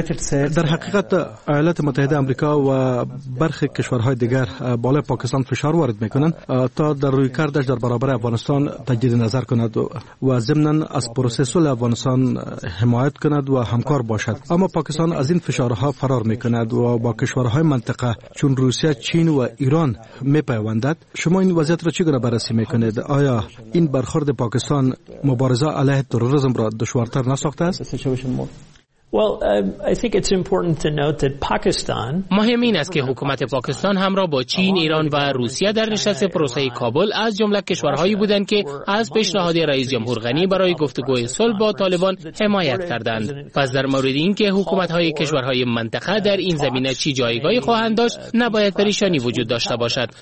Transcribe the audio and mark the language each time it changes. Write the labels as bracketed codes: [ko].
[fa] در حقیقت ایالات متحده آمریکا و برخی کشورهای دیگر بالای پاکستان فشار وارد میکنند تا در روی کردش در برابر افغانستان تجدید نظر کند و ضمناً از پروسه صلح افغانستان حمایت کند و همکار باشد، اما پاکستان از این فشارها فرار میکند و با کشورهای منطقه چون روسیه، چین و ایران میپیوندد. شما این وضعیت را چگونه بررسی میکنید؟ آیا این برخورد پاکستان مبارزه علیه تروریسم را دشوارتر نساخته است؟ [en] I think it's important to note that Pakistan. [fa] مهم این است که حکومت پاکستان همراه با چین، ایران و روسیه در نشست پروسه کابل از جمله کشورهایی بودند که از پیشنهاد رئیس جمهور غنی برای گفتگوی صلح با طالبان حمایت کردند. پس در مورد اینکه حکومت‌های کشورهای منطقه در این زمینه چه جایگاهی خواهند داشت، نباید پریشانی وجود داشته باشد.